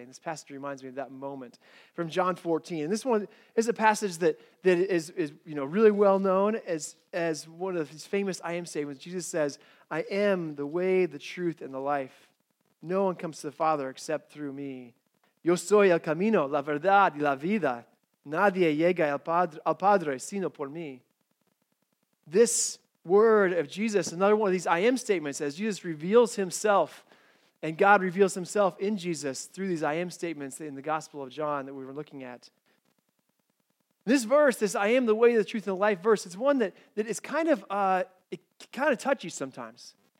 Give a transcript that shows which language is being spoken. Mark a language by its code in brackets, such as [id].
[en] And this passage reminds me of that moment from John 14. And this one is a passage that is you know, really well known as one of his famous I Am statements. Jesus says, I am the way, the truth, and the life. No one comes to the Father except through me. [es] Yo soy el camino, la verdad y la vida. Nadie llega al Padre sino por mí. [en] This word of Jesus, another one of these I Am statements, as Jesus reveals himself and God reveals himself in Jesus through these I Am statements in the Gospel of John that we were looking at. This verse, this I Am the way, the truth, and the life verse, it's one that is kind of touchy sometimes.